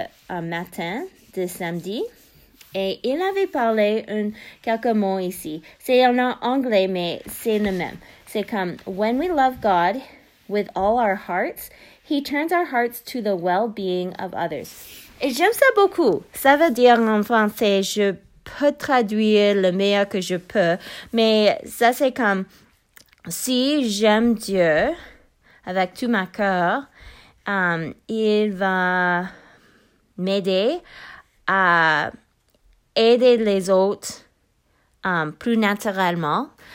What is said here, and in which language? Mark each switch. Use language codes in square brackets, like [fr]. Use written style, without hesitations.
[fr] Un matin de samedi, et il avait parlé quelques mots ici. C'est en anglais, mais c'est le même. C'est comme, [en] when we love God with all our hearts, he turns our hearts to the well-being of others. [fr] Et j'aime ça beaucoup. Ça veut dire en français, je peux traduire le meilleur que je peux, mais ça c'est comme, si j'aime Dieu avec tout mon cœur, il va m'aider à aider les autres plus naturellement.